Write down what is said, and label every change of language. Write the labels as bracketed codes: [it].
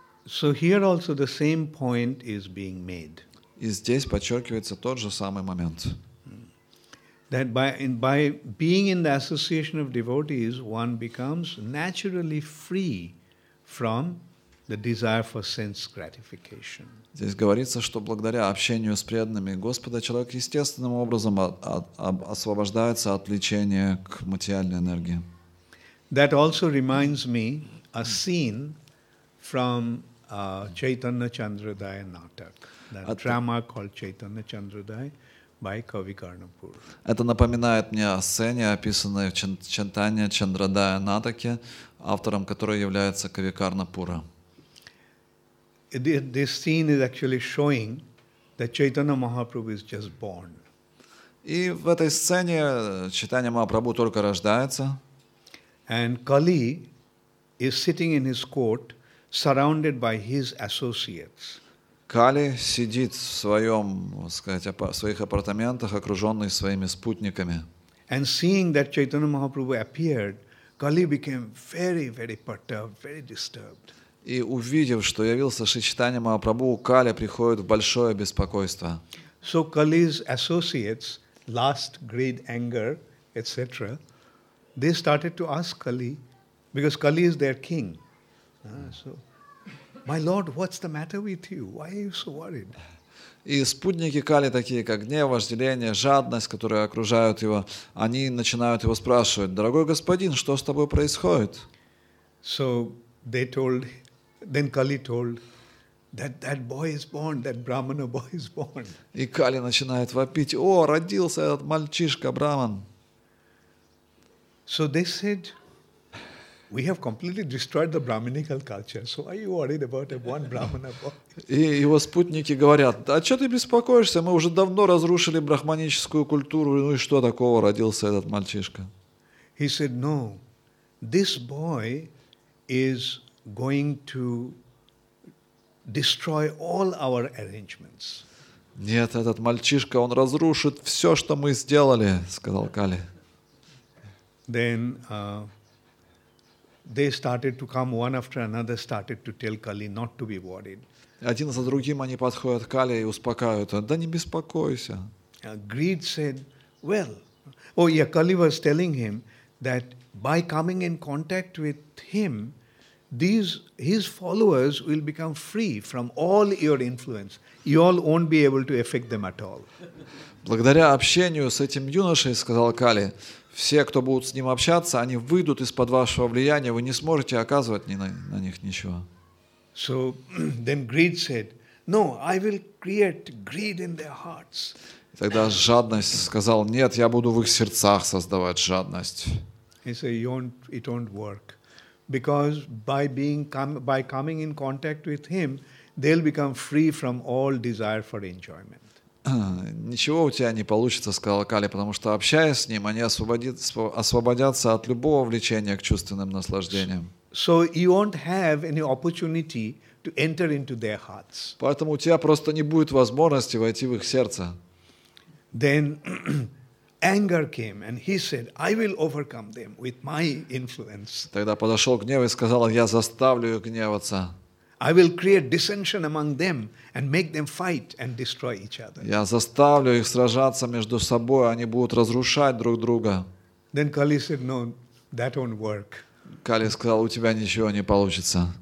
[en] So here also the same point is being made. [ru] И здесь подчеркивается тот же самый момент. [en] That by being in the association of devotees, one becomes naturally free from the desire for sense gratification. [ru] Здесь говорится, что благодаря общению с преданными Господа человек естественным образом освобождается от влечения к материальной энергии. [en] That also reminds me a scene from Chaitanya Chandradaya Natak, a drama called Chaitanya Chandradaya by Kavi Karnapur. [ru] Это напоминает мне о сцене, описанной в Чайтанья Чандрадая Натаке, автором которой является Кави Карнапура. [en] This scene is actually showing that Chaitanya Mahaprabhu is just born. [ru] И в этой сцене Чайтанья Махапрабху только рождается. [en] And Kali is sitting in his court, surrounded by his associates. [ru] Кали сидит в своем, так сказать, в своих апартаментах, окруженный своими спутниками. [en] And seeing that Chaitanya Mahaprabhu appeared, Kali became very, very perturbed, very disturbed. [ru] И увидев, что явился Шри Чайтанья Махапрабху, Кали приходит в большое беспокойство. [en] So Kali's associates, lust, greed, anger, etc., they started to ask Kali, because Kali is their king. My lord, what's the matter with you? Why are you so worried? [ru] И спутники Кали, такие как гнев, вожделение, жадность, которые окружают его, они начинают его спрашивать: «Дорогой господин, что с тобой происходит?» [en] So they told, then Kali told, that boy is born, that Brahmana boy is born. [ru] И Кали начинает вопить: «О, родился этот мальчишка, Браман!» [en] So they said, we have completely destroyed the Brahminical culture. So are you worried about one Brahmana boy? [ru] И его спутники говорят: «А что ты беспокоишься? Мы уже давно разрушили брахманическую культуру. Ну и что такого, родился этот мальчишка?» [en] He said, no, this boy is going to destroy all our arrangements. [ru] Нет, этот мальчишка, он разрушит все, что мы сделали, сказал Кали. [en] Then they started to come one after another, started to tell Kali not to be worried. [ru] Один за другим они подходят к Кали и успокаивают его: «Да не беспокойся». [en] Greed said, well, oh yeah, Kali was telling him that by coming in contact with him, his followers will become free from all your influence. You all won't be able to affect them at all. [ru] Благодаря общению с этим юношей, сказал Кали, все, кто будут с ним общаться, они выйдут из-под вашего влияния, вы не сможете оказывать на них ничего. [en] So then greed said, no, I will create greed in their hearts. [ru] Тогда жадность сказал: нет, я буду в их сердцах создавать жадность. [en] He said, it won't work, because by coming in contact with him, they'll become free from all desire for enjoyment. [ru] Ничего у тебя не получится, сказал Кали, потому что, общаясь с ним, они освободятся от любого влечения к чувственным наслаждениям. [en] So you won't have any opportunity to enter into their hearts. [ru] Поэтому у тебя просто не будет возможности войти в их сердце. [en] Then anger came, and he said, I will overcome them with my influence. [ru] Тогда подошел гнев и сказал: я заставлю их гневаться. [en] I will create dissension among them and make them fight and destroy each other. [ru] Я заставлю их сражаться между собой, они будут разрушать друг друга. [en] Then Kali said, no, that won't work. [ru] Кали сказал: у тебя ничего не получится.